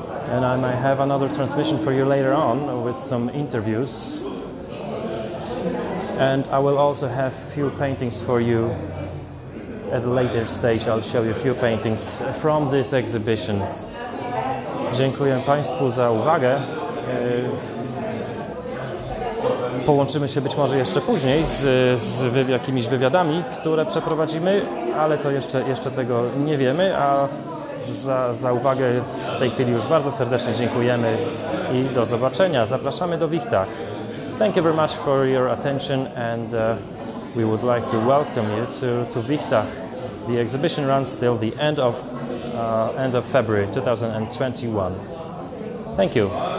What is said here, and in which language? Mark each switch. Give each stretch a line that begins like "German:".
English: And I might have another transmission for you later on with some interviews. And I will also have a few paintings for you at a later stage. I'll show you a few paintings from this exhibition.
Polish: Dziękuję Państwu za uwagę. Połączymy się być może jeszcze później jakimiś wywiadami, które przeprowadzimy, ale to jeszcze tego nie wiemy. A za uwagę w tej chwili już bardzo serdecznie dziękujemy i do zobaczenia. Zapraszamy do Viechtach.
English: Thank you very much for your attention and we would like to welcome you to Viechtach. The exhibition runs till the end of February 2021. Thank you.